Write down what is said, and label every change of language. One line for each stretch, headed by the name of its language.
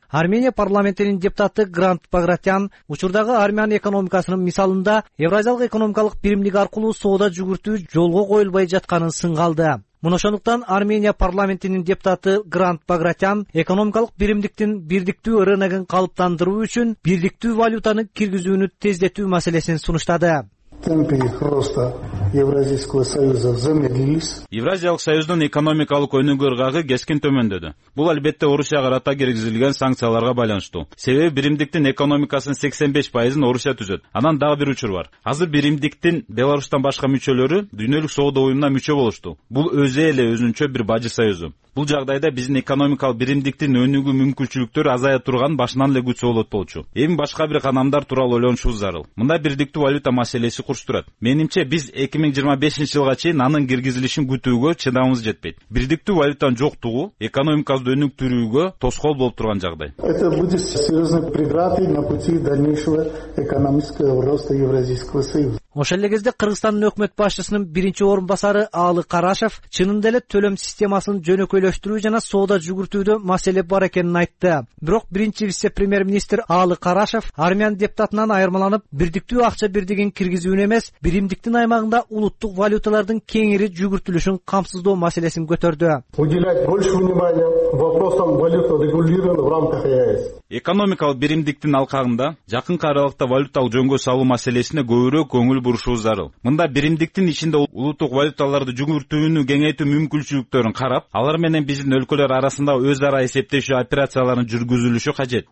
Kyrgyz: Армения парламентинин депутаты Грант Багратян учурдагы армян экономикасынын мисалында евразиялык экономикалык биримдик аркылуу соода жүгүртүү жолго коюлбай жатканын сынга алды. Мына ошондуктан Армения парламентинин депутаты Грант Багратян экономикалык биримдиктин бирдиктүү рыногун калыптандыруу үчүн бирдиктүү валютаны киргизүүнү тездетүү маселесин сунуштады.
Russian: Темпы роста Евразийского союза замедлились.
Kyrgyz: Евразиялык союздун экономикалык өнүгүү ыргагы кескин төмөндөдү. Бул албетте Орусияга карата киргизилген санкцияларга байланыштуу. Себеби биримдиктин экономикасынын 85% Орусия түзөт. Анан дагы бир учур бар. Азыр биримдиктин Беларусьтан башка мүчөлөрү дүйнөлүк соода уюмуна мүчө болушту. Бул өзү эле өзүнчө бир бажы союзу. Бул жагдайда биздин экономикалык биримдиктин өнүгүү мүмкүнчүлүктөрү азая турган башынан эле күч болот болчу. Эми башка бир канамдар тууралуу ойлонушубуз зарыл. Мындай бирдиктүү валюта маселеси курчтурат. Менимче биз 2025 жылга чейин анын киргизилишин күтүүгө чыдамыбыз жетпейт. Бирдиктүү валютанын жоктугу экономикабызды өнүктүрүүгө тоскоол болуп турган жагдай.
Russian: Это будет серьезной преградой на пути дальнейшего экономического роста Евразийского союза.
Kyrgyz: Ошол эле кезде Кыргызстандын өкмөт башчысынын биринчи орун басары Аалы Карашев чынында эле төлөм системасын жөнөкөйлөштүрүү жана соода жүгүртүүдө маселе бар экенин айтты. Бирок биринчи вице премьер министр Аалы Карашев армян депутатынан айырмаланып бирдиктүү акча бирдигин киргизүүнү эмес биримдиктин аймагында улуттук валюталардын кеңири жүгүртүлүшүн камсыздоо маселесин көтөрдү.
Russian: Уделять больше внимания вопросам валюта регулирования в рамках ЕАЭС.
Kyrgyz: Экономикалык биримдиктин алкагында жакынкы аралыкта валюталык жөнгө салуу маселесине көбүрөөк көңүл бурушубуз зарыл. Мында биримдиктин ичинде улуттук валюталарды жүгүртүүнү кеңейтүү мүмкүнчүлүктөрүн карап, алар менен биздин өлкөлөр арасында өз ара эсептешүү операцияларынын жүргүзүлүшү кажет.